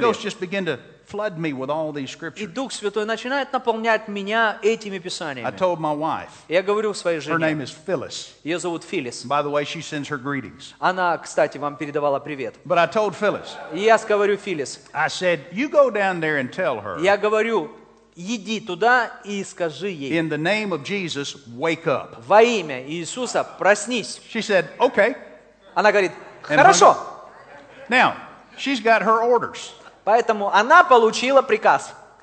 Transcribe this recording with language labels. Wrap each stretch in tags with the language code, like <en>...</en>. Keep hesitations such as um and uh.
<en>The Holy Ghost just began to flood me with all these scriptures.</en> <ru>И Дух Святой начинает наполнять меня этими писаниями.</ru> <en>I told my wife.</en> <ru>Я говорил своей жене.</ru> <en>Her name is Phyllis.</en> <ru>Ее зовут Филлис.</ru> <en>By the way, she sends her greetings.</en> <ru>Она, кстати, вам передавала привет.</ru> <en>But I told Phyllis.</en> <ru>И я говорю Филлис.</ru> <en>I said, you go down there and tell her.</en> <ru>Я говорю, иди туда и скажи ей.</ru> <en>In the name of Jesus, wake up.</en> <ru>Во имя Иисуса, проснись.</ru> <en>She said, okay.</en> <ru>Она говорит, хорошо.</ru> <en>Now, she's got her orders.</en> <ru>Поэтому она получила приказ.</ru>